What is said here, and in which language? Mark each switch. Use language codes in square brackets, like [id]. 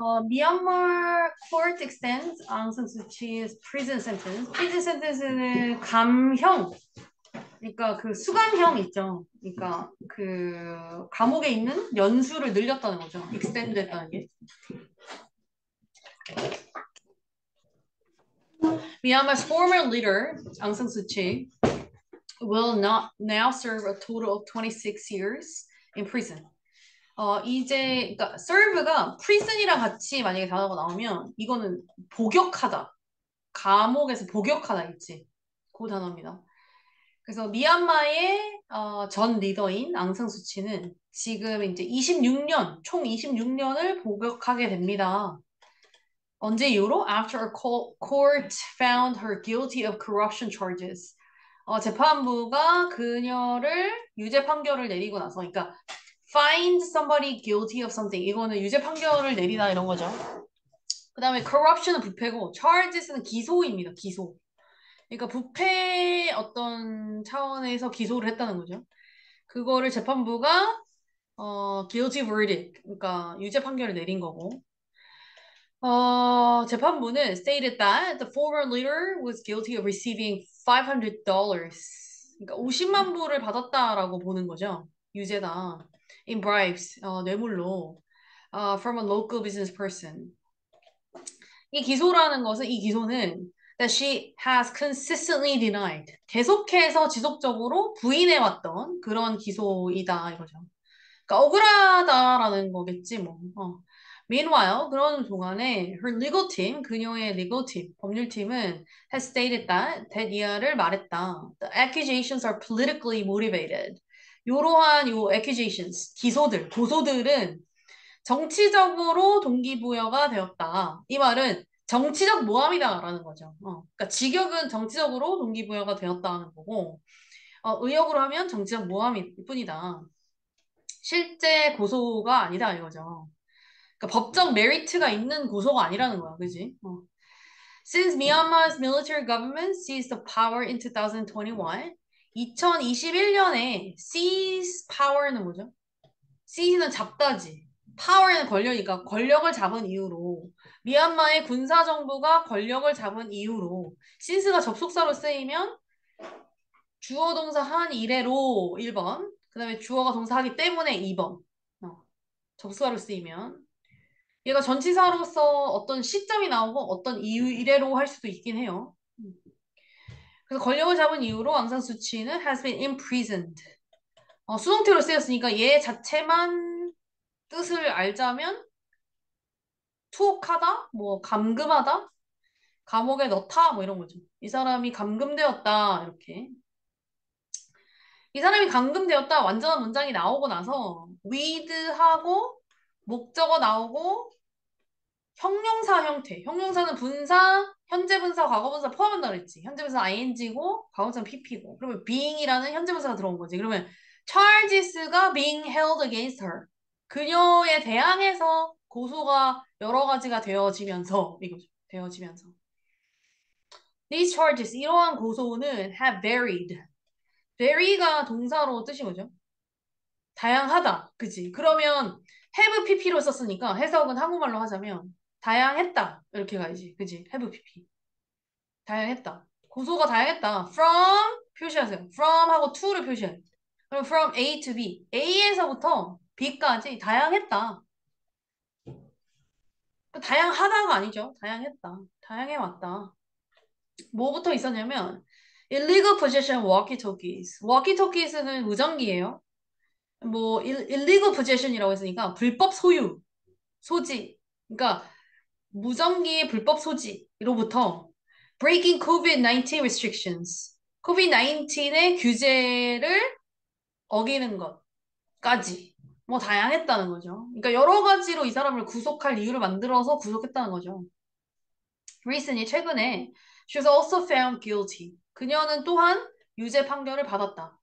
[en] 미얀마 court extends Aung San Suu Kyi's prison sentence. [ko] prison sentence는 감형, 그러니까 그 수감형 있죠. 그러니까 그 감옥에 있는 연수를 늘렸다는 거죠. extend 됐다는 게. [en] 미얀마's former leader Aung San Suu Kyi will not now serve a total of 26 years in prison. [ko] 이제 그러니까 serve가 prison이랑 같이 만약에 단어가 나오면 이거는 복역하다. 감옥에서 복역하다 있지. 그 단어입니다. 그래서 미얀마의 전 리더인 앙상 수치는 지금 이제 26년 총 26년을 복역하게 됩니다. 언제 이후로? [en] After a court found her guilty of corruption charges. [ko] 재판부가 그녀를 유죄 판결을 내리고 나서, 그러니까 [en] find somebody guilty of something. [ko] 이거는 유죄 판결을 내리다 이런 거죠. 그다음에 corruption은 부패고 charges는 기소입니다. 기소. 그러니까 부패 어떤 차원에서 기소를 했다는 거죠. 그거를 재판부가 guilty verdict, 그러니까 유죄 판결을 내린 거고. [en] 재판부는 stated that the former leader was guilty of receiving $500. [ko] 그러니까 50만 불을 받았다라고 보는 거죠. 유죄다. [en] In bribes, 뇌물로. From a local business person. [ko] 이 기소라는 것은, 이 기소는 [en] that she has consistently denied. [ko] 계속해서 지속적으로 부인해왔던 그런 기소이다 이거죠. 그러니까 억울하다라는 거겠지 뭐. [en] Meanwhile, [ko] 그러는 동안에 [en] her legal team, 그녀의 legal team, 법률팀은 has stated that [ko] 데니아를 말했다. [en] The accusations are politically motivated. [ko] 이러한 요 accusations, 기소들, 고소들은 정치적으로 동기부여가 되었다. 이 말은 정치적 모함이다라는 거죠. 그러니까 직역은 정치적으로 동기부여가 되었다는 거고, 의역으로 하면 정치적 모함일 뿐이다. 실제 고소가 아니다 이거죠. 법적 메리트가 있는 고소가 아니라는 거야, 그지? [en] Since Myanmar's military government seized the power in 2021, 2021년에 seize power는 뭐죠? [ko] Seize는 잡다지. Power는 권력이니까 권력을 잡은 이후로, 미얀마의 군사정부가 권력을 잡은 이후로, since가 접속사로 쓰이면 주어동사 한 이래로 1번, 그 다음에 주어가 동사하기 때문에 2번, 접속사로 쓰이면. 얘가 전치사로서 어떤 시점이 나오고 어떤 이유 이래로 할 수도 있긴 해요. 그래서 권력을 잡은 이후로 앙상 수치는 [en] has been imprisoned. [ko] 수동태로 쓰였으니까 얘 자체만 뜻을 알자면 투옥하다, 뭐 감금하다, 감옥에 넣다 뭐 이런 거죠. 이 사람이 감금되었다 이렇게. 이 사람이 감금되었다 완전한 문장이 나오고 나서 with하고 목적어 나오고 형용사 형태. 형용사는 분사, 현재 분사, 과거 분사 포함한다고 했지. 현재 분사 ing고 과거 분사 pp고. 그러면 being이라는 현재 분사가 들어온 거지. [en] 그러면 charges가 being held against her. [ko] 그녀에 대항해서 고소가 여러 가지가 되어지면서 이거죠. 되어지면서. [en] These charges, [ko] 이러한 고소는 [en] have varied. [ko] vary가 동사로 뜻이 뭐죠? 다양하다. 그지? 그러면 have pp로 썼으니까 해석은 한국말로 하자면 다양했다 이렇게 가야지. 그지? have pp 다양했다. 고소가 다양했다. from 표시하세요. from 하고 to를 표시해요. 그럼 from a to b, a에서부터 b까지 다양했다. 다양하다가 아니죠. 다양했다. 다양해왔다. 뭐부터 있었냐면 [en] illegal possession walkie-talkies. [ko] walkie-talkies는 무전기예요. 뭐 illegal possession이라고 했으니까 불법 소유, 소지. 그러니까 무전기의 불법 소지로부터 [en] breaking COVID-19 restrictions. [ko] COVID-19의 규제를 어기는 것까지 뭐 다양했다는 거죠. 그러니까 여러 가지로 이 사람을 구속할 이유를 만들어서 구속했다는 거죠. [en] Recently, 최근에 she was also found guilty. [ko] 그녀는 또한 유죄 판결을 받았다.